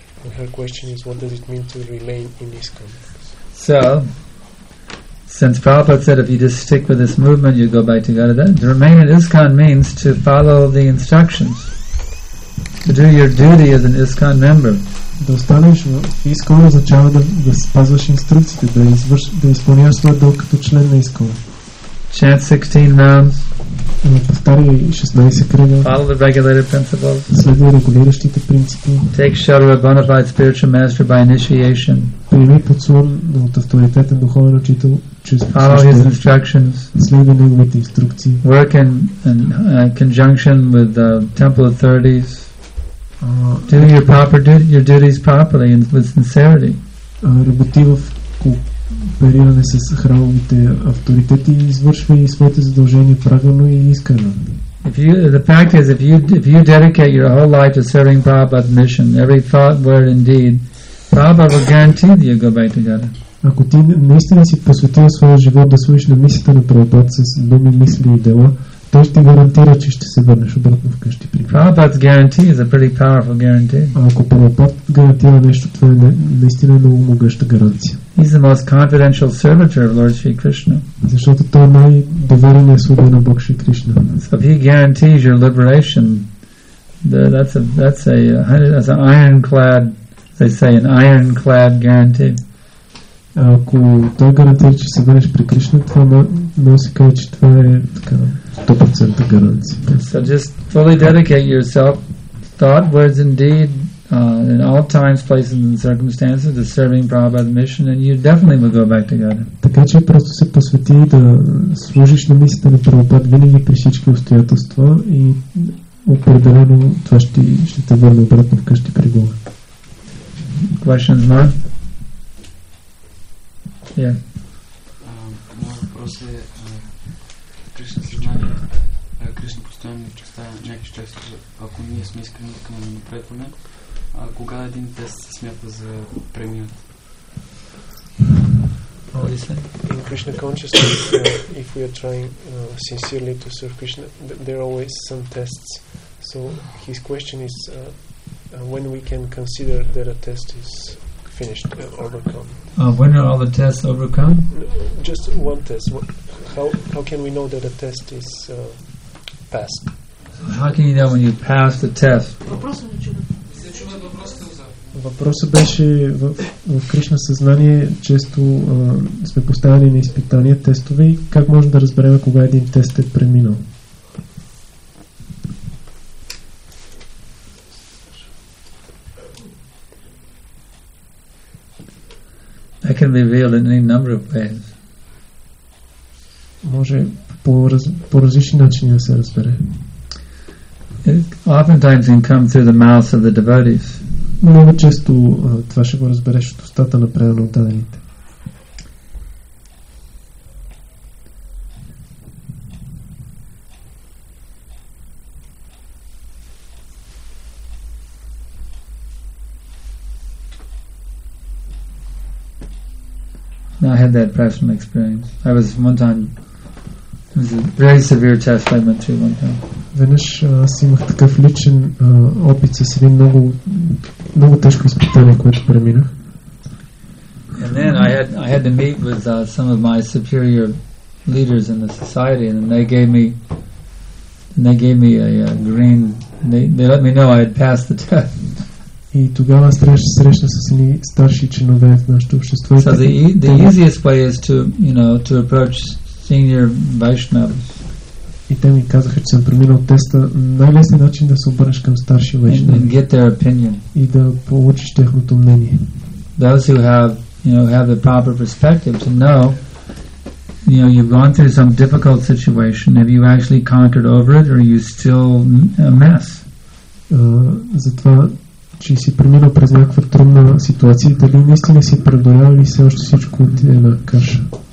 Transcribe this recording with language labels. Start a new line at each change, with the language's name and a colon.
English: And her question is, what does it mean to remain in ISKCON? So, since Prabhupada said if you just stick with this movement, you go back to Godhead, to remain in ISKCON means to follow the instructions, to do your duty as an ISKCON member.
Bulgarian: Да останеш в ИСКОН означава да спазваш инструкциите, да изпълняваш своя дълг като член на ИСКОН.
English: Chant 16 rounds.
Bulgarian: Повтори 16 кръга.
English: Follow the regulated principles.
Bulgarian: Следи регулиращите принципи.
English: Take shelter of a bona fide spiritual master by initiation.
Bulgarian: Приеми подслон от авторитетен духовен учител.
English: Follow his instructions.
Bulgarian: Следи неговите инструкции.
English: Work in conjunction with the temple authorities. Do your proper duty, your duties properly and with sincerity.
Bulgarian: Работи в коопериране с храмовите авторитети, извършвай своите задължения правилно и искрено.
English: If you dedicate your whole life to serving Prabhupada's mission, every thought, word and deed, Prabhupada will guarantee that you go back to God.
Bulgarian: Ако ти наистина си посветил своя живот да служиш на мисията на Прабхупада с думи, мисли и дела, той ще гарантира, че ще се върнеш обратно вкъщи при Бога.
English: Prabhupada's guarantee is a pretty powerful guarantee.
Bulgarian: Ако Прабхупада гарантира нещо, това е наистина много могъща гаранция.
English: He's the most confidential servitor of Lord Shri Krishna.
Bulgarian: Защото той е най-довереният слуга на Бог Шри Кришна.
English: So if he guarantees your liberation, that's an ironclad, they say, an ironclad guarantee.
Bulgarian: Ако той гарантира, че се върнеш при Кришна, това може да се каже, че това е така 100% гаранция.
English: So just fully dedicate yourself, thought, words and deed, in all times, places and circumstances, to serving Prabhupada's mission, and you definitely will go back to God.
Bulgarian: Така че просто се посвети да служиш на мисията на Прабхупада винаги при всички обстоятелства и определено това ще те върне обратно вкъщи при Бога.
English: Questions now?
Bulgarian: Моят въпрос е Кришна съзнание. Кришна постоянно ни представя някакви части, ако ние сме искрени към напредване. А кога един тест се смята за преминат?
English: In Krishna consciousness, if we are trying sincerely to serve Krishna, there are always some tests. So his question is When we can consider that a test is finished and overcome. When are all the tests overcome? Just one test. How can we know that a test is passed? How can you know when you pass the test?
Bulgarian: Въпросът беше в Кришна съзнание, често сме поставени на изпитания, тестове, и как можем да разберем кога един тест е преминал?
English: I can reveal in any number of ways.
Bulgarian: Може по различни начини да се разбере.
English: Oftentimes it comes through the mouth of the devotees.
Bulgarian: Много често това ще го разбереш от устата на преданно отдадените.
English: Now I had that personal experience. I was one time, it was a very severe test I went through one time.
Bulgarian: Веднъж аз имах такъв личен опит с един много, много тежко изпитание, което преминах.
English: And then I had to meet with some of my superior leaders in the society, and they gave me a green, they let me know I had passed the test.
Bulgarian: И тогава срещна с едни старши чинове в нашето общество.
English: So the easiest way is to, you know, to approach senior Vaishnavas.
Bulgarian: И те ми казаха, че съм преминал теста. Най-лесният начин да се обърнеш към старши вайшнави и да получиш тяхното мнение.
English: Those who have, you know, have the proper perspective to know, you know, you've gone through some difficult situation. Have you actually conquered over it, or are you still a mess?
Bulgarian: Затова, че си преминал през някаква трудна ситуация, дали наистина си преодолял или все още всичко от една каша.